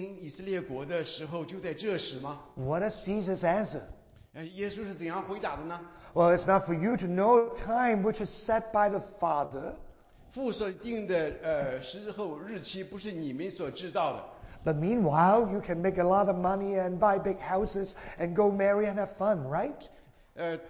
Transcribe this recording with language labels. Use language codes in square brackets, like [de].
[zh] 还记住使徒行传，基督的耶稣的门徒问他说，主啊，你复兴以色列国的时候就在这时吗？ [en] What is Jesus' answer? [zh] 耶稣是怎样回答的呢？ [en] Well, it's not for you to know time which is set by the Father. [zh] 复设定的时候日期不是你们所知道的。 [en] But meanwhile, you can make a lot of money and buy big houses and go marry and have fun, right?